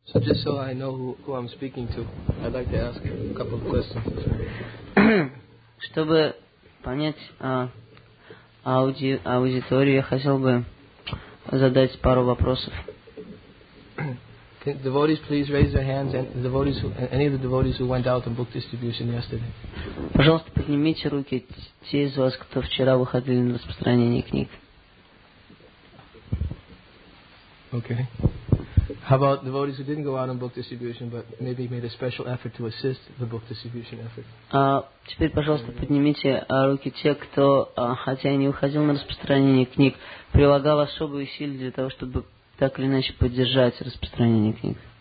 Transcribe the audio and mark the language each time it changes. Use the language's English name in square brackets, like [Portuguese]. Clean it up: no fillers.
[English] So just so I know who I'm speaking to, I'd like to ask a couple of questions. [Russian] Чтобы понять аудиторию, я хотел бы задать пару вопросов. [English] Can devotees please raise their hands and devotees who, any of the devotees who went out to book distribution yesterday? [Russian] Пожалуйста, поднимите руки те из вас, кто вчера выходили на распространение книг. [English] Okay. How about devotees who didn't go out on book distribution, but maybe made a special effort to assist the book distribution effort? [Russian] Теперь, пожалуйста, поднимите руки те, кто, хотя и не уходил на распространение книг, прилагал особые усилия для того, чтобы так или иначе поддержать распространение книг.